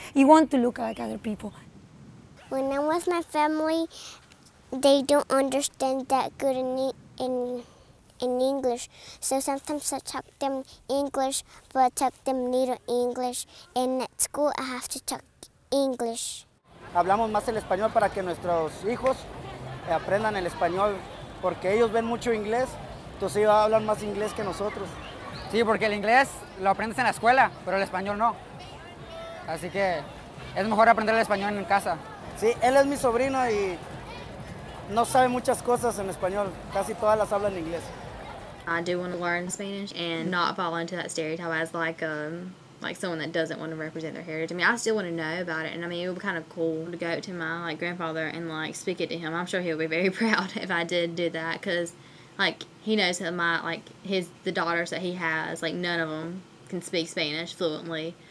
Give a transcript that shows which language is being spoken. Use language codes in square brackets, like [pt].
[en] You want to look like other people. When I'm with my family, they don't understand that good in English. So sometimes I talk them English, but talk them little English. And at school, I have to talk English. [es] Hablamos más el español para que nuestros hijos aprendan el español, porque ellos ven mucho inglés, entonces ellos hablan más inglés que nosotros. Sí, porque el inglés lo aprendes en la escuela, pero el español no. Así que es mejor aprender el español en casa. Sí, él es mi sobrino y no sabe muchas cosas en español, casi todas las habla en inglés. [en] I do want to learn Spanish and not fall into that stereotype as like someone that doesn't want to represent their heritage. I mean, I still want to know about it, and I mean, it would be kind of cool to go to my like grandfather and like speak it to him. I'm sure he'll be very proud if I did do that, because like he knows that the daughters that he has, like none of them can speak Spanish fluently.